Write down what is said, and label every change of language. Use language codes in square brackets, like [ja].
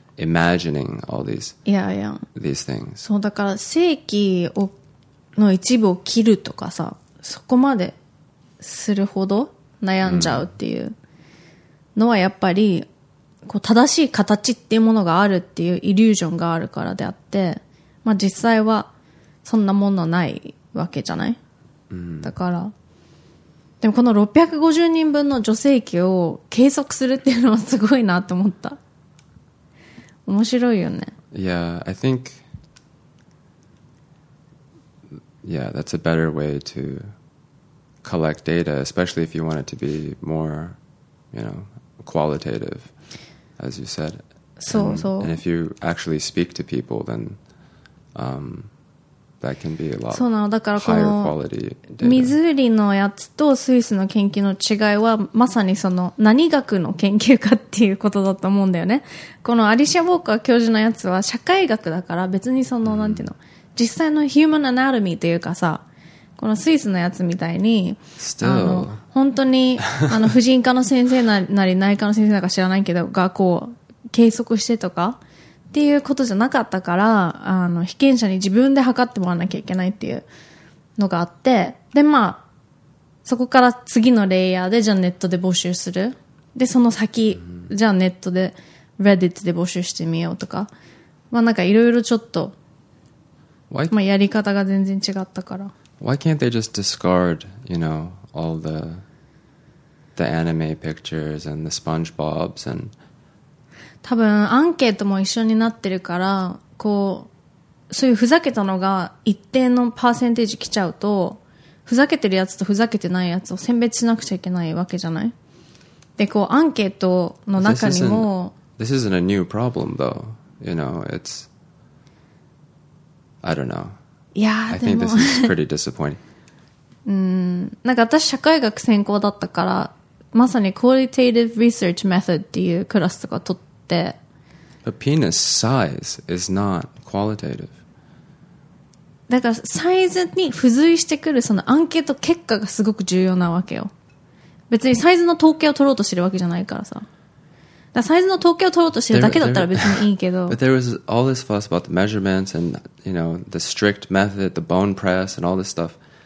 [en] imagining all these, yeah, yeah. these things. [ja] そうだから正規をの一部を切るとかさ、そこまでするほど悩んじゃうっていうのはやっぱりこう正しい形っていうものがあるっていうイリュージョンがあるからであって、まあ実際はそんなものないわけじゃない。だから。でもこの650人分の助成器を計測するっていうのはすごいなと思った。面白いよね。 [en] Yeah, I think... Yeah, that's a better way to collect data, especially if you want it to be more, you know, qualitative, as you said. [ja] そうそう。 [en] And if you actually speak to people, then... That can be a lot [ja] そうなのだからこのミズーリのやつとスイスの研究の違いはまさにその何学の研究かっていうことだと思うんだよね。このアリシア・ウォーカー教授のやつは社会学だから別にその、mm-hmm. なんていうの実際のヒューマンアナトミーというかさこのスイスのやつみたいに [en] Still... [ja] あの本当にあの婦人科の先生なり内科の先生なんか知らないけどがこう計測してとかっていうことじゃなかったから、あの、被験者に自分で測ってもらわなきゃいけないっていうのがあって、で、まあ、そこから次のレイヤーで、じゃあネットで募集する。で、その先、じゃあネットで、Reddit で募集してみようとか。まあ、なんかいろいろちょっと、 [en] Why? [ja] まあ、やり方が全然違ったから。 [en] Why can't they just discard, you know, all the anime pictures and the SpongeBobs and... [ja] 多分アンケートも一緒になってるからこうそういうふざけたのが一定のパーセンテージ来ちゃうとふざけてるやつとふざけてないやつを選別しなくちゃいけないわけじゃない。でこうアンケートの中にも [en] This isn't a new problem though. You know, it's I don't know. [ja] いやでも [en] I think this is pretty disappointing. [ja] なんか私社会学専攻だったからまさに [en] qualitative research method [ja] っていうクラスとか取って [en] But penis size is not qualitative. [ja] だからサイズに付随してくるそのアンケート結果がすごく重要なわけよ。別にサイズの統計を取ろうとしてるわけじゃないからさ。だからサイズの統計を取ろうとしてるだけだったら別にいいけど。 [en] But there was all this fuss about the measurements and, you know, the strict method, the bone press and all this stuff.